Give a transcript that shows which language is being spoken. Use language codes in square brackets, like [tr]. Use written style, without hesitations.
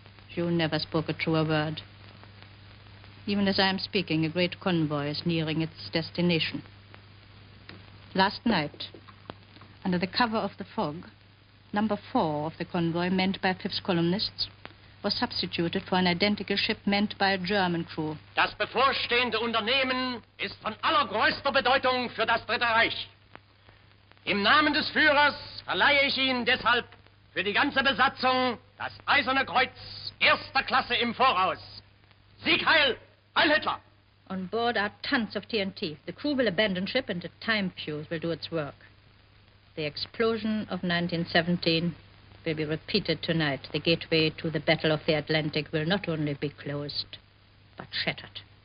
[en] You never spoke a truer word. Even as I am speaking, a great convoy is nearing its destination. Last night, under the cover of the fog, number 4 of the convoy, manned by 5th columnists, was substituted for an identical ship manned by a German crew. [de] Das bevorstehende Unternehmen ist von allergrößter Bedeutung für das Dritte Reich. Im Namen des Führers verleihe ich Ihnen deshalb für die ganze Besatzung das Eiserne Kreuz erster Klasse im Voraus. Sieg Heil! Heil Hitler! [en] On board are tons of TNT. The crew will abandon ship and a time fuse will do its work. The explosion of 1917 will be repeated tonight. The gateway to the Battle of the Atlantic will not only be closed, but shattered.